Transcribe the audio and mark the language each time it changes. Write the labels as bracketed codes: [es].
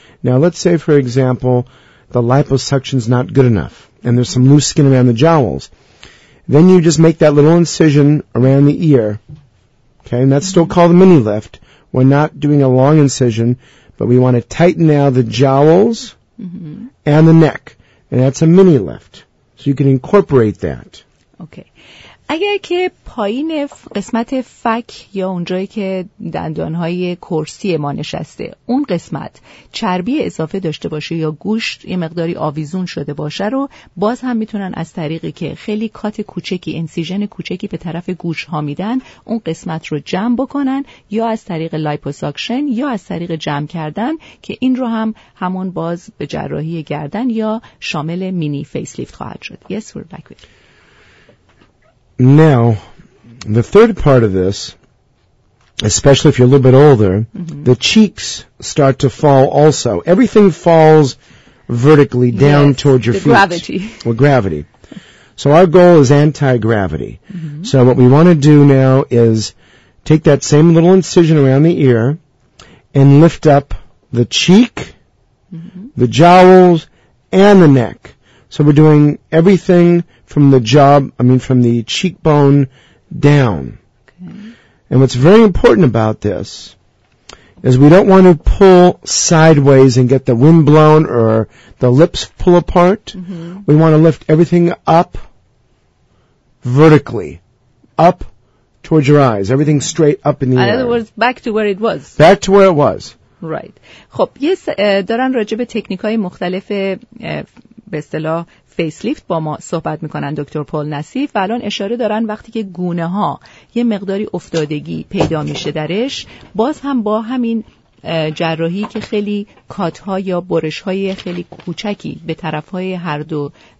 [en] Now, let's say, for example, the liposuction's not good enough, and there's some loose skin around the jowls. Then you just make that little incision around the ear, okay? And that's mm-hmm. still called a mini lift. We're not doing a long incision, but we want to tighten now the jowls mm-hmm. and the neck, and that's a mini lift. So you can incorporate that. Okay. [fa] اگر که پایین قسمت فک یا اونجایی که دندانهای کرسی ما نشسته اون قسمت چربی اضافه داشته باشه یا گوشت یه مقداری آویزون شده باشه رو باز هم میتونن از طریقی که خیلی کات کوچکی انسیژن کوچکی به طرف گوش ها میدن اون قسمت رو جمع بکنن یا از طریق لایپوساکشن یا از طریق جمع کردن که این رو هم همون باز به جراحی گردن یا شامل مینی فیس لیفت خواهد شد. [en] Yes, we're back with you. Now, the third part of this, especially if you're a little bit older, mm-hmm. the cheeks start to fall also. Everything falls vertically down yes, towards your the feet. Gravity. Well, gravity. So our goal is anti-gravity. Mm-hmm. So what we want to do now is take that same little incision around the ear and lift up the cheek, mm-hmm. the jowls, and the neck. So we're doing everything from the jaw, from the cheekbone down. Okay. And what's very important about this is we don't want to pull sideways and get the wind blown or the lips pull apart. Mm-hmm. We want to lift everything up vertically, up towards your eyes, everything straight up in the air. In other words, back to where it was. Back to where it was. Right. [fa] خب یه دارن راجع به تکنیک‌های مختلف به اصطلاح فیس لیفت با ما صحبت می‌کنن دکتر پال نصیف و الان اشاره دارن وقتی که گونه‌ها یه مقداری افتادگی پیدا میشه درش باز هم با همین جراحی که خیلی کات‌ها یا برش‌های خیلی کوچکی به طرف‌های هر دو